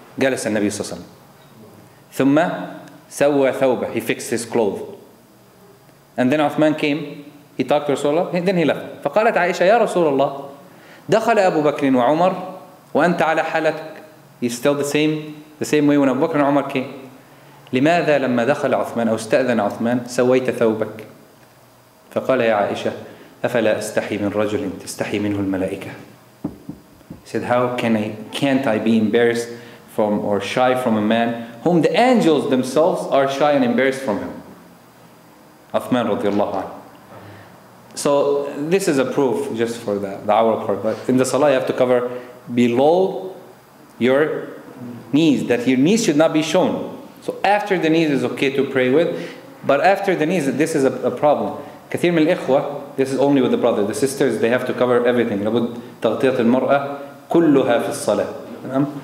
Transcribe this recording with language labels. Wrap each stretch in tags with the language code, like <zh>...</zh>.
<ar>جلس النبي صلى الله عليه وسلم. ثم سوى ثوبه.</ar> <en>He fixed his clothes. And then Uthman came. He talked to Rasulullah. Then he left.</en> <ar>فقالت عائشة يا رسول الله دخل أبو بكر وعمر وأنت على حالتك.</ar> <en>He's still the same way when Abu Bakr and Umar came.</en> <ar>لماذا لما دخل عثمان أو استأذن عثمان سويت ثوبك؟ فقال يا عائشة أفلا أستحي من رجل تستحي منه الملائكة.</ar> <en>He said, how can't I be embarrassed from or shy from a man whom the angels themselves are shy and embarrassed from him?</en> <ar>عثمان رضي الله عنه.</ar> <en>So this is a proof just for the hour part. But in the salah, you have to cover below your knees, that your knees should not be shown. So after the knees is okay to pray with, but after the knees, this is a problem.</en> <ar>كثير من الإخوة,</ar> <en>this is only with the brother. The sisters, they have to cover everything.</en> <ar>لابد تغطية المرأة كلها في الصلاة.</ar>